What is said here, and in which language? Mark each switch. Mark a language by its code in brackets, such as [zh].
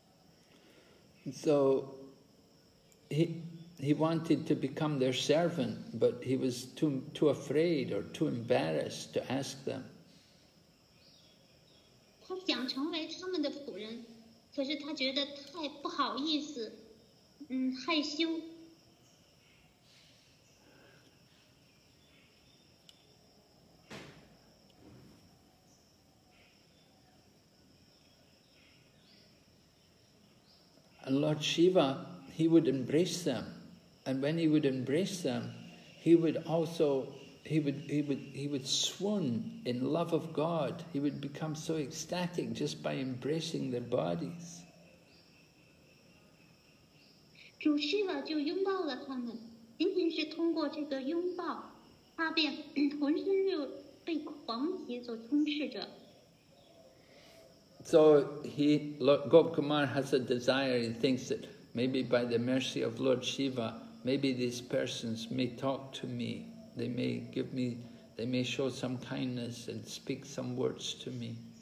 [zh] 当高巴库马看到他们的时候，深深的受到了吸引。他此刻已经想，再也想没有别的念头了。他完全专注于这些人，他们是这样的美丽奇异。 [en] So, he wanted to become their servant, but he was too afraid or too embarrassed to ask them. He wanted to become their servant, but he was too afraid or too embarrassed to ask them. Lord Shiva, he would embrace them, and when he would embrace them, he would also he would swoon in love of God. He would become so ecstatic just by embracing their bodies. [zh] 主 Shiva 就拥抱了他们，仅仅是通过这个拥抱，他便浑身就被狂喜所充斥着。 [en] So he, Lord Gop Kumar has a desire and thinks that maybe by the mercy of Lord Shiva, maybe these persons may talk to me, they may give me, they may show some kindness and speak some words to me.